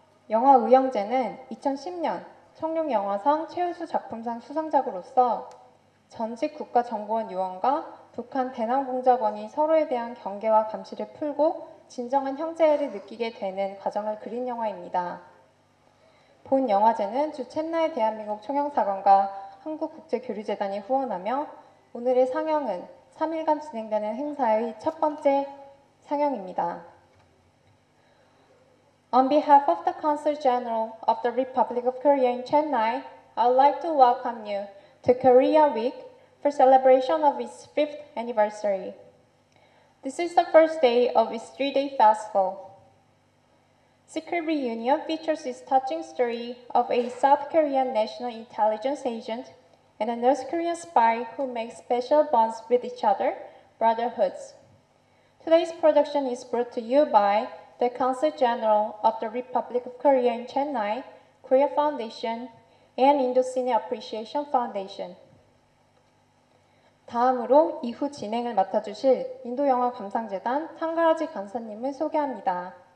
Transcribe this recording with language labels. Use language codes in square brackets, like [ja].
[ko] 영화의향제는 2010년 청룡영화상 최우수 작품상 수상작으로서 전직 국가정보원 요원과 북한 대남공작원이 서로에 대한 경계와 감시를 풀고 진정한 형제애를 느끼게 되는 과정을 그린 영화입니다. 본 영화제는 주 첸나이 대한민국 총영사관과 한국국제교류재단이 후원하며 오늘의 상영은 3일간 진행되는 행사의 첫 번째 상영입니다. [en] On behalf of the Consul General of the Republic of Korea in Chennai, I would like to welcome you to Korea Week for celebration of its 5th anniversary. This is the first day of its 3-day festival. Secret Reunion features this touching story of a South Korean national intelligence agent and a North Korean spy who makes special bonds with each other, brotherhoods. Today's production is brought to you by the Consul General of the Republic of Korea in Chennai, Korea Foundation, and Indo-Cine Appreciation Foundation. [ko] 다음으로 이후 진행을 맡아주실 인도영화감상재단 탕가라지 간사님을 소개합니다.